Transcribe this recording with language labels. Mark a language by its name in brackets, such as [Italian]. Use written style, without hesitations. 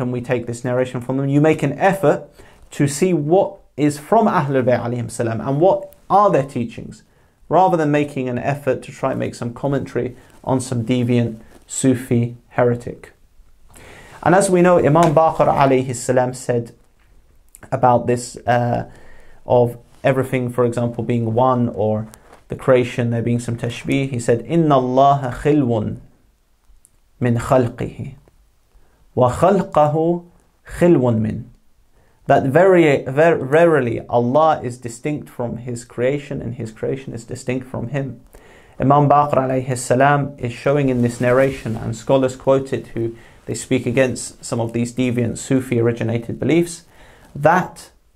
[English] Can we take this narration from them? You make an effort to see what is from Ahlul Bayt alayhim salam and what are their teachings, rather than making an effort to try and make some commentary on some deviant Sufi heretic. And as we know, Imam Baqir alayhi salam said about this, of everything, for example, being one, or the creation, there being some tashbih. He said, [Arabic] إِنَّ اللَّهَ خِلْوٌ مِنْ خَلْقِهِ وَخَلْقَهُ خِلْوٌ مِنْ. [English] That verily Allah is distinct from His creation, and His creation is distinct from Him. Imam Baqir alayhi salam is showing in this narration, and scholars quote it, who they speak against some of these deviant Sufi originated beliefs, that